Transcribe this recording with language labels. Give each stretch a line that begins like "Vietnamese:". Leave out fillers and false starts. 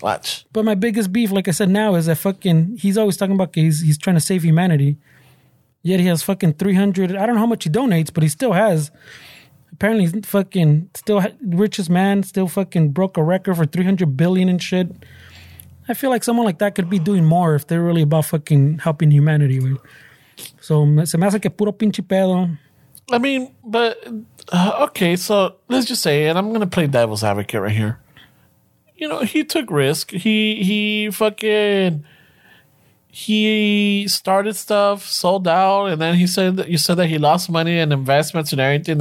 English: But my biggest beef, like I said now, is that fucking, he's always talking about he's trying to save humanity. Yet he has fucking 300, I don't know how much he donates, but he still has, apparently he's fucking still richest man, still fucking broke a record for 300 billion and shit. I feel like someone like that could be doing more if they're really about fucking helping humanity.
Spanish: So se me hace que puro pinche pedo.
English: I mean, but okay, so let's just say, and I'm going to play devil's advocate right here. You know, he took risk. He started stuff, sold out, and then you said that he lost money and investments and everything.